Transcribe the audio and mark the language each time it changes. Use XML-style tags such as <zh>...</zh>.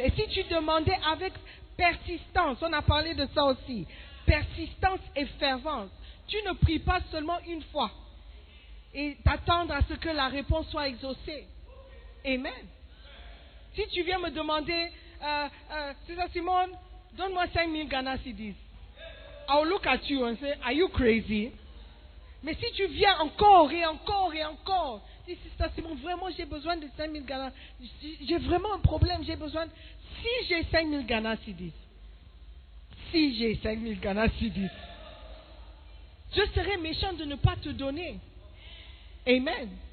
<fr>Et si tu demandais avec persistance, on a parlé de ça aussi, persistance et fervence, tu ne pries pas seulement une fois et t'attendre à ce que la réponse soit exaucée. Amen. Si tu viens me demander, c'est ça Simone, donne-moi 5 000 Ghana cedis.</fr> <en>I'll look at you and say, are you crazy?</en> <fr>Mais si tu viens encore et encore et encore, dis, c'est ça Simone, vraiment j'ai besoin de 5 000 Ghana, j'ai vraiment un problème, j'ai besoin, si j'ai 5 000 Ghana cedis, si j'ai 5 000 Ghana cedis, je serais méchant de ne pas te donner. Amen.</fr>